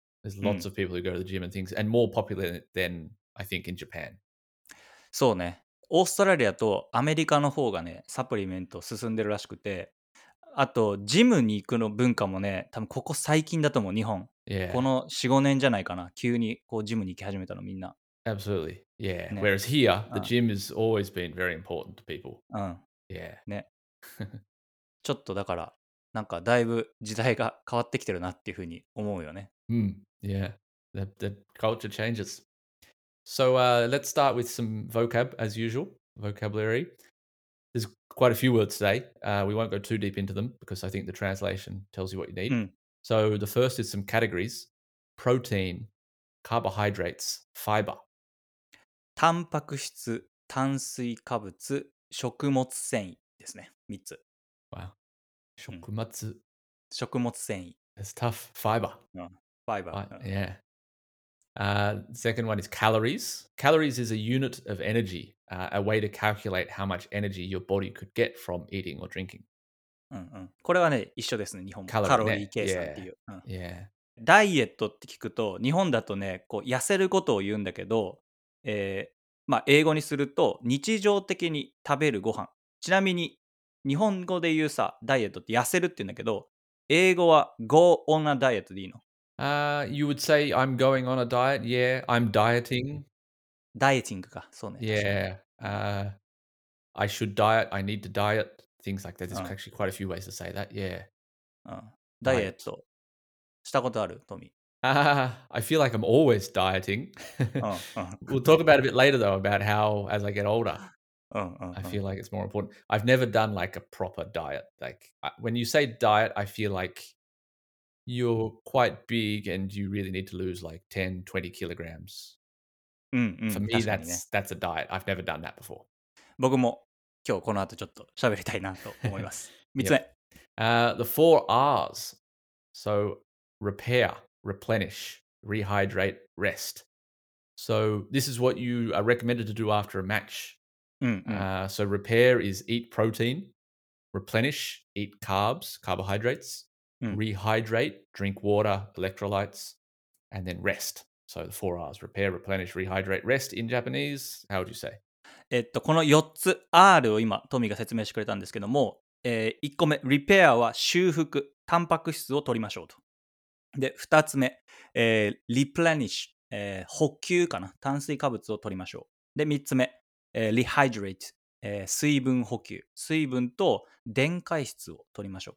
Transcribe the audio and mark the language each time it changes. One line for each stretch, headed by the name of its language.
English: There's lots of people who go to the gym and things, and more popular than I think in Japan.
Japanese: そうね。オーストラリアとアメリカの方がね、サプリメント進んでるらしくて、あとジムに行くの文化もね、多分ここ最近だと思う、日本。
English: Yeah.
Japanese: この 4,5 年じゃないかな、急にこうジムに行き始めたのみんな。
English: Absolutely. Yeah.、ね、Whereas here, the gym has always been very important to people.
Japanese: うん。
English: Yeah.
Japanese: ね。ちょっとだから、なんかだいぶ時代が変わってきてるなっていうふうに思うよね。うん。
English: Yeah. The culture changes. So, let's start with some vocab, as usual. Vocabulary. There's quite a few words today. We won't go too deep into them, because I think the translation tells you what you need.、
Japanese: うん、
English: so, the first is some categories. Protein, carbohydrates, fiber.
Japanese: タンパク質、炭水化物、食物繊維ですね。 3つ。 Wow. 食物、うん、食物繊維。
English: That's tough. Fiber.、 Fiber. Yeah. Second one is calories. Calories is a unit of energy,、a way to calculate how much energy your body could get from eating or drinking.
Japanese: これはね、一緒ですね、日本も。カロリー計算っていう。
English: Yeah.
Japanese: ダイエットって聞くと、日本だとね、こう痩せることを言うんだけど、まあ、英語にすると、日常的に食べるご飯。ちなみに、日本語で言うさ、ダイエットって痩せるって言うんだけど、英語は
English: go on a diet
Japanese: でいいの？
English: You would say I'm going on a diet. Yeah, I'm dieting. ダイエティングか。そうね。 Yeah. I should diet. I need to diet. Things like that. There's actually quite a few ways to say that. Yeah.
Japanese: ダイエットしたことある？トミー。
English: I feel like I'm always dieting. We'll talk about a bit later though about how as I get older. I feel like it's more important. I've never done like a proper diet. Like when you say diet, I feel like you're quite big and you really need to lose like 10, 20 kilograms. For me, that's a diet. I've never done that before.
Japanese: 僕も今日この後ちょっと喋りたいなと思います。 3つ目。
English: The four R's. So repair, replenish, rehydrate, rest. So this is what you are recommended to do after a match. So repair is eat protein, replenish, eat carbs, carbohydrates,、rehydrate, drink water, electrolytes, and then rest. So the four R's, repair, replenish, rehydrate, rest in Japanese, how would you say?
Japanese: この4つ R を今トミーが説明してくれたんですけども、1個目、repair は修復、タンパク質を取りましょうと。で、2つ目、replenish、補給かな、炭水化物を取りましょう。で、3つ目、rehydrate、水分補給、水分と電解質を取りましょう。